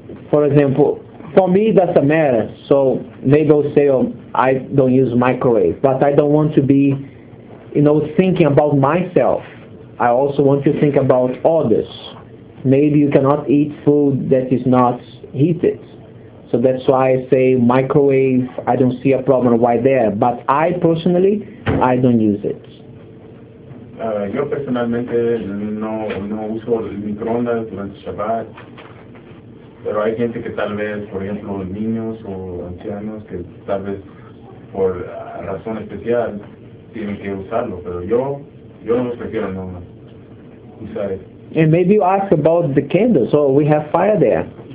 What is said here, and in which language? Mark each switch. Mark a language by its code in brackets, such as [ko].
[en] For example, for me, that's a matter. So maybe I'll say, I don't use microwave, but I don't want to be, you know, thinking about myself. I also want to think about others. Maybe you cannot eat food that is not heated. So that's why I say microwave, I don't see a problem right there. But I personally, I don't use it. [es] Yo personalmente no uso el microondas durante Shabbat, pero hay gente que tal vez, por ejemplo, niños o ancianos, que tal vez por razón especial tienen que usarlo, pero yo no prefiero no usar eso. [en] And maybe you ask about the candle, so we have fire there.